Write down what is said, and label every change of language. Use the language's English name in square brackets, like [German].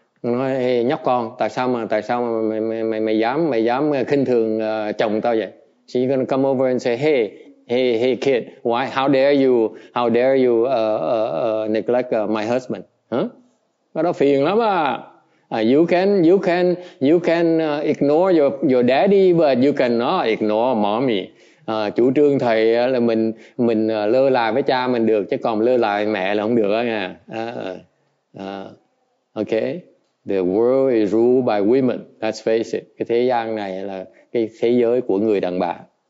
[Vietnamese] Nói, hey, nhóc con, tại sao mà mày dám khinh thường chồng tao vậy? [English] She's gonna come over and say, hey kid, why, how dare you neglect my husband? Huh? [Vietnamese] Đó phiền lắm à. [English] You can ignore your daddy, but you cannot ignore mommy. [Vietnamese] Chủ trương thầy là mình lơ là với cha mình được, chứ còn lơ là mẹ là không được á nha. Okay. [English] The world is ruled by women. Let's face it. [Vietnamese] Cái thế gian này là cái thế giới của người đàn bà.